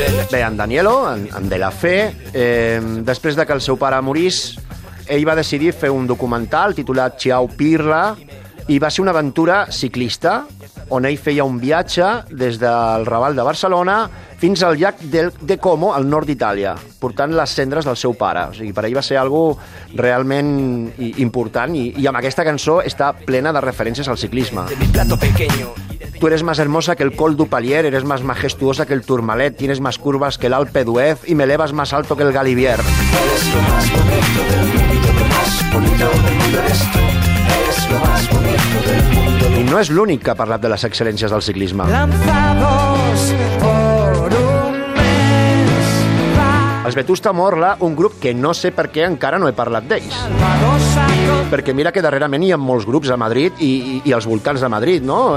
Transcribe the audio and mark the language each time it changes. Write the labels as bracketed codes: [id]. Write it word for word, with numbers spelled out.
[ca] Bé, en Danielo, en, en de la Fe, eh, després de que el seu pare morís, ell va decidir fer un documental titulat Ciao Pirla, i va ser una aventura ciclista, on ell feia un viatge des del Raval de Barcelona fins al llac del, de Como, al nord d'Itàlia, portant les cendres del seu pare. O sigui, per ell va ser algo realment important, i, i amb aquesta cançó està plena de referències al ciclisme. [es] Tu eres más hermosa que el Col du Palier, eres más majestuosa que el Tourmalet, tienes más curvas que el Alpe d'Huez y me elevas más alto que el Galibier. Eres lo más bonito del mundo, lo más bonito del mundo eres tú. Eres lo más bonito del mundo. [ca] I no és l'únic que ha parlat de les excel·lències del ciclisme. Els Vetusta Morla, un grup que no sé per què encara no he parlat d'ells. Perquè mira que darrerament hi ha molts grups a Madrid i, i, i als voltants de Madrid, no?